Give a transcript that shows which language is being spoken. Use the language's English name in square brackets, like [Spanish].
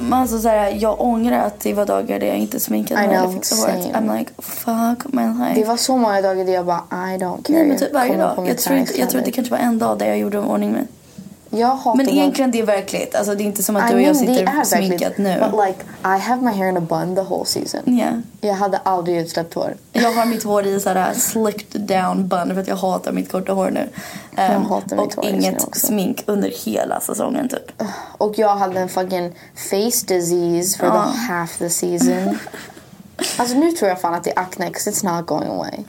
[Swedish] Men alltså så här, jag ångrar att det var dagar där jag inte sminkade mig eller fixade håret. [English] I'm like, fuck my life. [Swedish] Det var så många dagar där jag bara, [English] I don't care. [Swedish] Nej, men typ varje dag. Jag tror att det kanske var en dag där jag gjorde en ordning med. Jag hatar. Men egentligen det är verkligt. Alltså det är inte som att du och jag sitter sminkat nu. [English] But like, I have my hair in a bun the whole season. Yeah. [Swedish] Jag hade aldrig utsläppt hår. Jag har mitt hår i så här [English] slicked down bun [Swedish] för att jag hatar mitt korta hår nu. Och inget smink under hela säsongen typ. Och jag hade en [English] fucking face disease for the half the season. [Swedish] Alltså nu tror jag fan att det är acne, [English] because it's not going away.